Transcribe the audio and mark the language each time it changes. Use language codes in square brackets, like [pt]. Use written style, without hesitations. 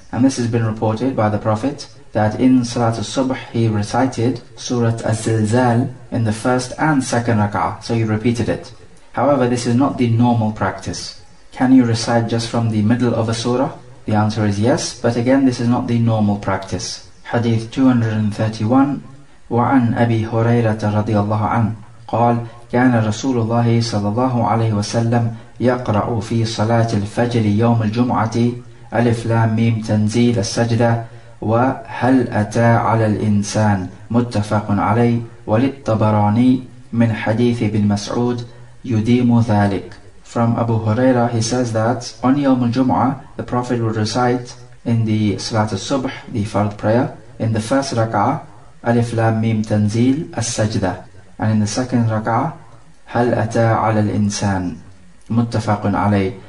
[en] And this has been reported by the Prophet that in Salat al-Subh he recited Surat al-Zilzal in the first and second rak'ah, so he repeated it. However, this is not the normal practice. Can you recite just from the middle of a surah? The answer is yes, but again, this is not the normal practice. Hadith 231. [ar] وَعَنْ أَبِي هُرَيْرَةَ رَضِيَ اللَّهُ عَنْهُ قَالْ كَانَ رَسُولُ اللَّهِ صَلَى اللَّهُ عَلَيْهِ وَسَلَّمْ يَقْرَعُ فِي صَلَاةِ الْفَجْرِ يَوْمِ الْجُمْعَةِ ألف لام ميم تنزيل السجدة وهل أتى على الإنسان متفق عليه وللطبراني من حديث ابن مسعود يديم ذلك. [en] From Abu Huraira, he says that on Yawm al-Jum'ah, the Prophet would recite in the Salat al-Subh, the Fard prayer, in the first rak'ah, [ar] ألف لام ميم تنزيل السجدة, [en] and in the second rak'ah, [ar] هل أتى على الإنسان متفق عليه.